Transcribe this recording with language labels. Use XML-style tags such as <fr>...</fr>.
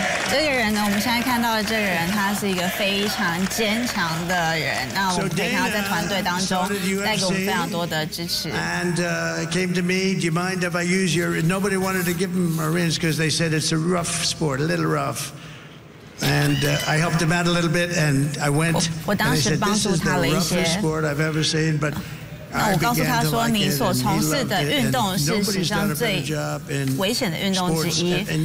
<zh>这个人呢，我们现在看到的这个人，他是一个非常坚强的人。那我们可以看到在团队当中带给我们非常多的支持。</zh> <en>And came to me. Do you mind if I use your? Nobody wanted to give him a rinse because they said it's a rough sport, a little rough. And I helped him out a little bit, and I went.</en> <zh>我当时帮助他了一些。</zh> <en>This is the roughest sport I've ever seen, but.</en> <zh>那我告诉他说，你所从事的运动是史上最危险的运动之一。</zh>